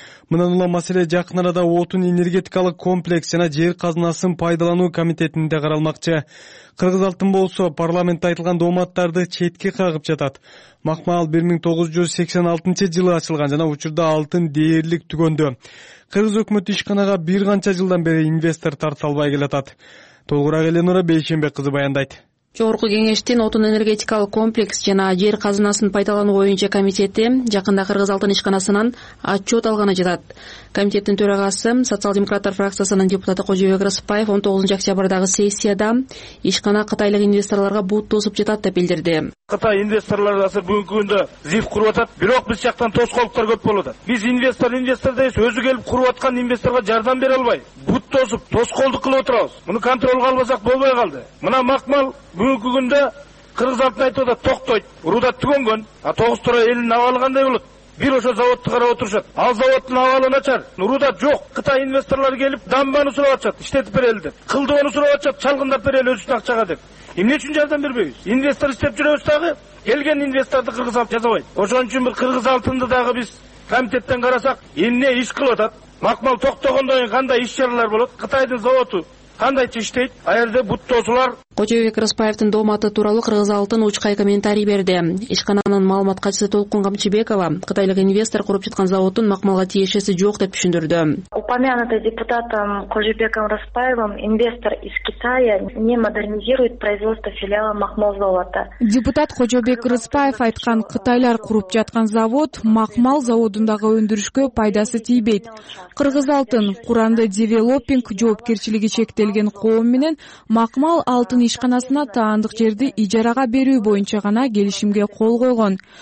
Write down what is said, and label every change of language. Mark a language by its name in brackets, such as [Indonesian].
[Kyrgyz] Мындан улам маселе жакын арада отун энергетикалык комплекс жана жер казынасын пайдалануу комитетинде каралмакчы. Кыргыз алтын болсо парламентте айтылган дооматтарды четке кагып жатат. Макмал 1986 жылы ачылган жана учурда алтын дээрлик түгөндү. Кыргыз өкмөтү ишканага бир канча жылдан бери инвестор тарта албай келатат. Толугураак Эленора Бейшенбек кызы баяндайт. Жогорку кеңештин отун энергетикалык комплекс жана жер казынасын пайдалануу боюнча комитети жакында кыргыз алтын ишканасынан отчет алганы жатат. Комитеттин төрагасы социал демократтар фракциясынын депутаты Кожобек Рыспаев 19 октябрдагы сессияда ишкана кытайлык инвесторлорго бут тосуп жатат деп билдирди. Кытай инвесторлор азыр бүгүнкү күндө зип куруп атат, бирок биз жактан тоскоолдуктар көп болуп атат. Биз инвестор дейбиз, өзү келип куруп аткан инвесторго жардам бере албай бут тосуп тоскоолдук кылып отурабыз. Муну контролго албасак болбой калды. Мына макмал бүгүнкү күндө кыргыз алтын айтып атат, токтойт, урда түгөнгөн, а тогуз туура элин алып алгандай болот. Бир ошо заводду карап отурушат, ал заводдун абалы начар, урда жок. Кытай инвесторлор келип дамбаны сурап атышат, иштетип берели деп, кылдыгону сурап атышат, чалгындап берели өзүбүздүн акчага деп. Эмне үчүн жардам бербейбиз? Инвестор иштеп жүрөбүз дагы, келген инвесторду кыргыз алтын жазабайт. Ошон үчүн бир кыргыз алтынды дагы биз комитеттен карасак эмне иш кылып атат, макмал токтогондон кийин кандай иш чаралар болот, кытайдын заводу кандайча иштейт, аерде бут тосулар. Кожобек Рыспаевдин дооматы тууралуу кыргыз алтын учкай комментарий берди. Ишкананын маалымат катчысы Толкун Камчыбекова кытайлык инвестор куруп жаткан заводдун макмалга тиешеси жок деп түшүндүрдү. [Russian] Упомянутый депутатом Кожобеком Рыспаевым инвестор из Китая не модернизирует производство филиала макмал завода. [Kyrgyz] Депутат Кожобек Рыспаев айткан кытайлар куруп жаткан завод макмал заводундагы өндүрүшкө пайдасы тийбейт. Кыргыз алтын куранды девелопинг жоопкерчилиги чектелген коом менен макмал алтын ишканасына таандык жерди ижарага берүү боюнча гана келишимге кол койгон.